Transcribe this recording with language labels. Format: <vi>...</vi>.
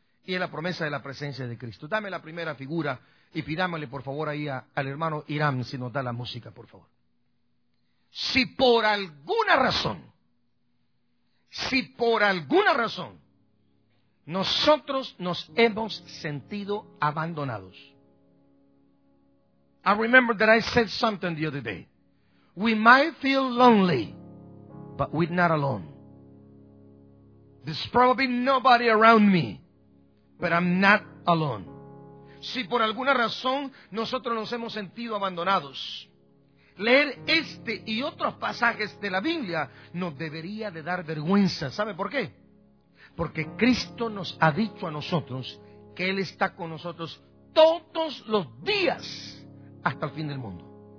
<es>y es la promesa de la presencia de Cristo. Dame la primera figura y pidámosle por favor ahí al hermano Irán si nos da la música, por favor. Si por alguna razón, nosotros nos hemos sentido abandonados.</es> <en>I remember that I said something the other day. We might feel lonely, but we're not alone. There's probably nobody around me, but I'm not alone.</en> <es>Si por alguna razón nosotros nos hemos sentido abandonados, leer este y otros pasajes de la Biblia nos debería de dar vergüenza. ¿Sabe por qué? Porque Cristo nos ha dicho a nosotros que Él está con nosotros todos los días hasta el fin del mundo.</es>